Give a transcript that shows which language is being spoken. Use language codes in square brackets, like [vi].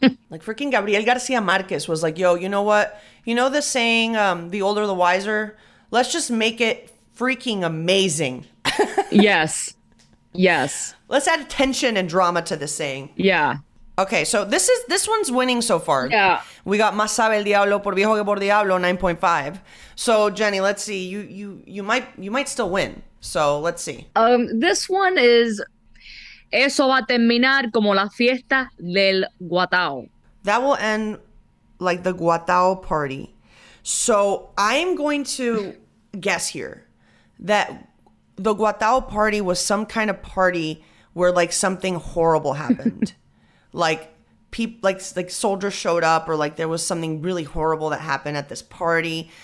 [en] Like freaking Gabriel Garcia Marquez was like, yo, you know what? You know the saying, the older the wiser? Let's just make it freaking amazing. Yes. Yes. Let's add tension and drama to the saying. Yeah. Okay, so this one's winning so far. Yeah. We got [es] Más sabe el diablo por viejo que por diablo, 9.5. [en] So Jenny, let's see. You might still win. So let's see. This one is [es] Eso va a terminar como la fiesta del guatao. [en] That will end like the guatao party. So I'm going to guess here that the guatao party was some kind of party where like something horrible happened. Like soldiers showed up, or like there was something really horrible that happened at this party.